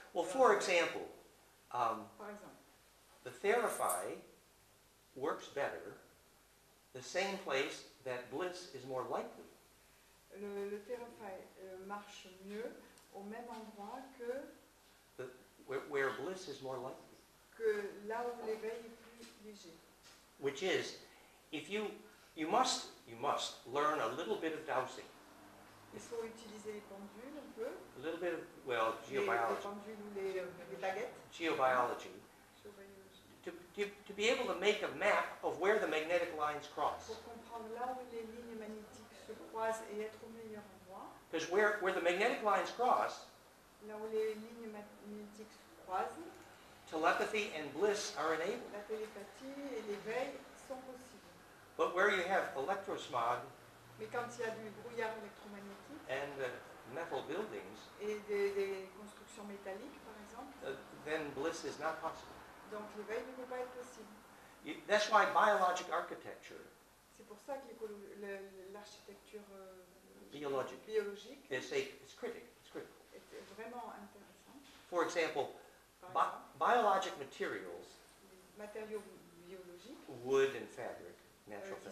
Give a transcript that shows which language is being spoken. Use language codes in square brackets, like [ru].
[en] Well, for example, the Therify works better the same place that bliss is more likely. [fr] Le Therify marche mieux au même endroit que [en] where bliss is more likely. [fr] Que là où l'éveil est plus léger. [en] Which is, if you must learn a little bit of dowsing. [fr] Il faut utiliser les pendules un peu. [en] A little bit of, well, geobiology. [fr] Les pendules ou les baguettes. [en] Geobiology. To be able to make a map of where the magnetic lines cross. [fr] Pour comprendre là où les lignes magnétiques se croisent et être au meilleur endroit. [en] Because where the magnetic lines cross. [fr] Là où les lignes magnétiques se croisent. [en] Telepathy and bliss are enabled. [fr] La télépathie et l'éveil sont possibles. [en] But where you have electrosmog, [fr] mais quand il y a du brouillard électromagnétique, [en] and metal buildings, [fr] et des constructions métalliques, par exemple, [en] then bliss is not possible. [fr] Donc l'éveil ne peut pas être possible. [en] That's why biologic architecture. [fr] C'est pour ça que l'architecture [en] biologique is critical. [fr] Est vraiment intéressant. [en] For example. Biologic materials, [fr] matériaux biologiques, [en] wood and fabric, natural fabric,